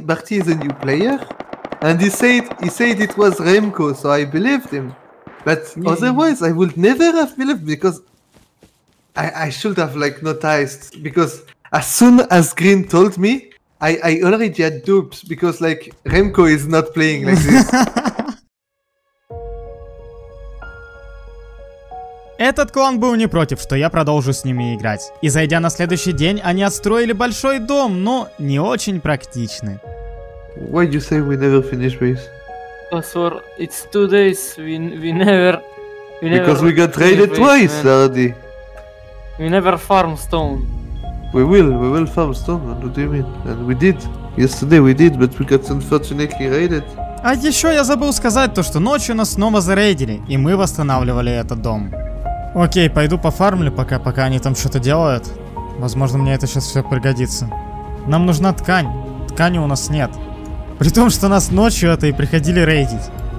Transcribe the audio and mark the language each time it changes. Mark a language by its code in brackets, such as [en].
[en] Barty is a new player. And he said it was Ramko, so I believed him. But otherwise I would never have believed because I should have like noticed. Because as soon as Green told me, I already had dupes, because like, Ramko is not playing like this. [ru] Этот клан был не против, что я продолжу с ними играть. И зайдя на следующий день, они отстроили большой дом, но не очень практичны. [en] Why do you say we never finish base? Because for it's 2 days, we never... Because we got raided twice, already. We never farm stone. We will farm stone, what do you mean? And we did. Yesterday we did, but we got unfortunately raided. [ru] А еще я забыл сказать то, что ночью нас снова зарейдили, и мы восстанавливали этот дом. Окей, пойду пофармлю, пока они там что-то делают. Возможно, мне это сейчас все пригодится. Нам нужна ткань. Ткани у нас нет. При том, что нас ночью это и приходили рейдить.